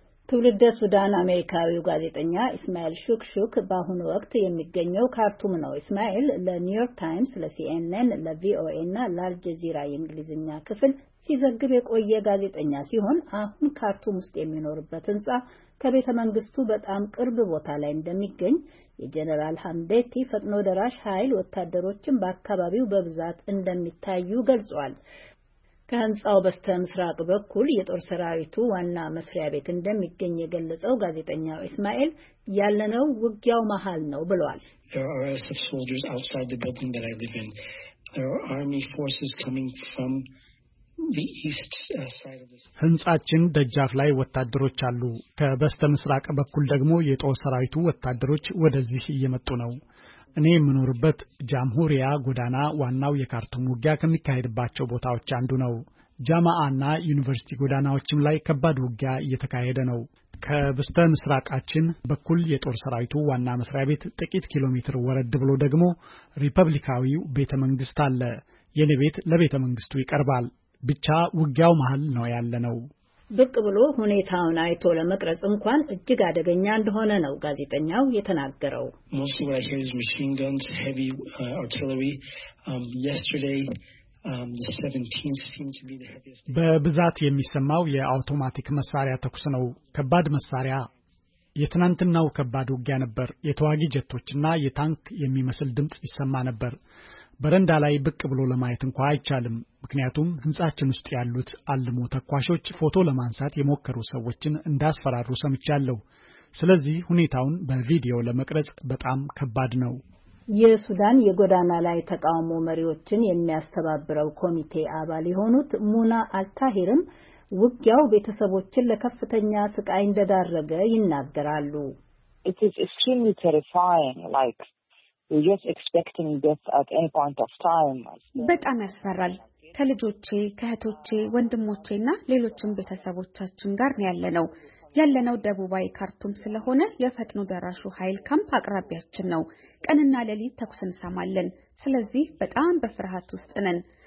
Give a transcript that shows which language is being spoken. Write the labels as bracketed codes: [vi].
[am] ትውልደ ሱዳን አሜሪካዊው ጋዜጠኛ ኢስማኤል ሹክሹክ በአሁኑ ወቅት የሚገኘው ካርቱም ነው። ኢስማኤል ለኒውዮርክ ታይምስ፣ ለሲኤንኤን፣ ለቪኦኤ እና ለአልጀዚራ የእንግሊዝኛ ክፍል ሲዘግብ የቆየ ጋዜጠኛ ሲሆን አሁን ካርቱም ውስጥ የሚኖርበት ህንጻ ከቤተ መንግስቱ በጣም ቅርብ ቦታ ላይ እንደሚገኝ፣ የጀነራል ሐምዴቲ ፈጥኖ ደራሽ ኃይል ወታደሮችን በአካባቢው በብዛት እንደሚታዩ ገልጿል። ከህንጻው በስተ ምስራቅ በኩል የጦር ሰራዊቱ ዋና መስሪያ ቤት እንደሚገኝ የገለጸው ጋዜጠኛው ኢስማኤል ያለነው ውጊያው መሃል ነው ብሏል። [en] There are arrests of soldiers outside the building that I live in. There are army forces coming from the east side of the [am] ህንጻችን ደጃፍ ላይ ወታደሮች አሉ። ከበስተ ምስራቅ በኩል ደግሞ የጦር ሰራዊቱ ወታደሮች ወደዚህ እየመጡ ነው። እኔ የምኖርበት ጃምሁሪያ ጎዳና ዋናው የካርቱም ውጊያ ከሚካሄድባቸው ቦታዎች አንዱ ነው። ጃማአና ዩኒቨርሲቲ ጎዳናዎችም ላይ ከባድ ውጊያ እየተካሄደ ነው። ከበስተ ምስራቃችን በኩል የጦር ሰራዊቱ ዋና መስሪያ ቤት ጥቂት ኪሎ ሜትር ወረድ ብሎ ደግሞ ሪፐብሊካዊው ቤተ መንግስት አለ። የኔ ቤት ለቤተ መንግስቱ ይቀርባል። ብቻ ውጊያው መሃል ነው ያለነው። ብቅ ብሎ ሁኔታውን አይቶ ለመቅረጽ እንኳን እጅግ አደገኛ እንደሆነ ነው ጋዜጠኛው የተናገረው። [en] Mostly what I hear is machine guns, heavy artillery. Yesterday, the 17th seemed to be the heaviest. [am] በብዛት የሚሰማው የአውቶማቲክ መሳሪያ ተኩስ ነው። ከባድ መሳሪያ። የትናንትናው ከባድ ውጊያ ነበር። የተዋጊ ጀቶችና የታንክ የሚመስል ድምጽ ይሰማ ነበር። በረንዳ ላይ ብቅ ብሎ ለማየት እንኳን አይቻልም። ምክንያቱም ህንጻችን ውስጥ ያሉት አልሞ ተኳሾች ፎቶ ለማንሳት የሞከሩ ሰዎችን እንዳስፈራሩ ሰምቻለሁ። ስለዚህ ሁኔታውን በቪዲዮ ለመቅረጽ በጣም ከባድ ነው። የሱዳን የጎዳና ላይ ተቃውሞ መሪዎችን የሚያስተባብረው ኮሚቴ አባል የሆኑት ሙና አልታሂርም ውጊያው ቤተሰቦችን ለከፍተኛ ስቃይ እንደዳረገ ይናገራሉ። [en] It is extremely terrifying, like we're just expecting death at any point of time. [am] በጣም ያስፈራል። ከልጆቼ፣ ከእህቶቼ፣ ወንድሞቼና ሌሎችም ቤተሰቦቻችን ጋር ነው ያለነው። ያለነው ደቡባዊ ካርቱም ስለሆነ የፈጥኖ ደራሹ ኃይል ካምፕ አቅራቢያችን ነው። ቀንና ሌሊት ተኩስ እንሰማለን። ስለዚህ በጣም በፍርሃት ውስጥ ነን።